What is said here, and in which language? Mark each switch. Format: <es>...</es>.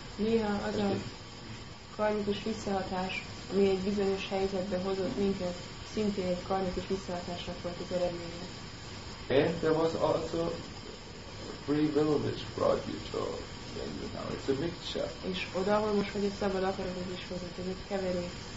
<hu>Néha az a karmikus visszahatás, ami egy bizonyos helyzetbe hozott minket, szintén egy karmikus visszahatásnak volt az eredménye.</hu> <en>And there was also free will which brought you to you now. It's a mixture.</en> <hu>És oda, ahol most vagy, a szabad akaratod is hozott, ez egy keverék.</hu>